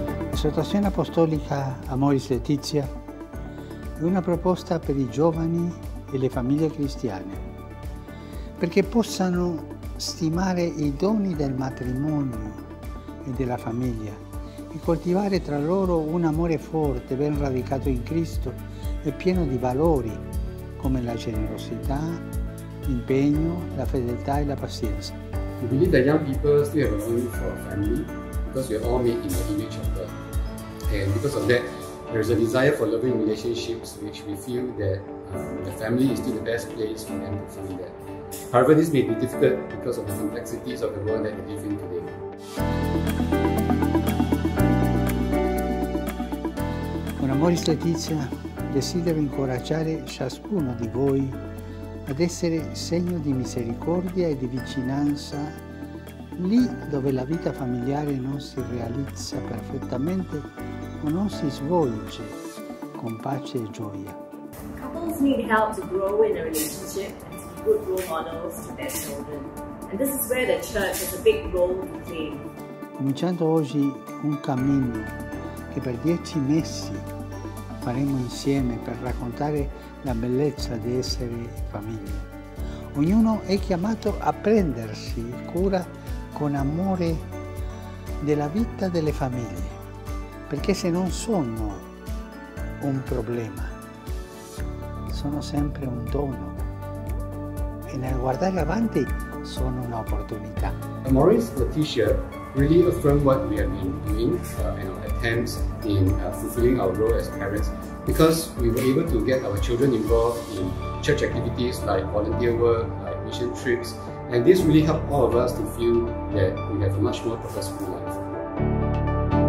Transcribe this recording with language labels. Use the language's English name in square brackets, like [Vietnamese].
[Italian] L'esortazione apostolica Amoris Laetitia è una proposta per i giovani e le famiglie cristiane, perché possano stimare i doni del matrimonio e della famiglia e coltivare tra loro un amore forte, ben radicato in Cristo e pieno di valori come la generosità, l'impegno, la fedeltà e la pazienza. [English] I believe that young people still have a longing for a family because we're all made in the image of God. And because of that, there is a desire for loving relationships which we feel that the family is still the best place for them to find that. However, this may be difficult because of the complexities of the world that we live in today. [Italian] Con Amoris Laetitia desidero incoraggiare ciascuno di voi ad essere segno di misericordia e di vicinanza lì dove la vita familiare non si realizza perfettamente o non si svolge con pace e gioia. [English] Couples need help to grow in a relationship and to be good role models to their children. And this is where the church has a big role to play. [Italian] Cominciando oggi un cammino che per 10 mesi faremo insieme per raccontare la bellezza di essere famiglia. Ognuno è chiamato a prendersi cura con amore della vita delle famiglie, perché se non sono un problema, sono sempre un dono e nel guardare avanti sono un'opportunità. [English] Amoris Laetitia really affirmed what we have been doing in our attempts in fulfilling our role as parents, because we were able to get our children involved in church activities like volunteer work, like mission trips. And this really helped all of us to feel that we have a much more purposeful life.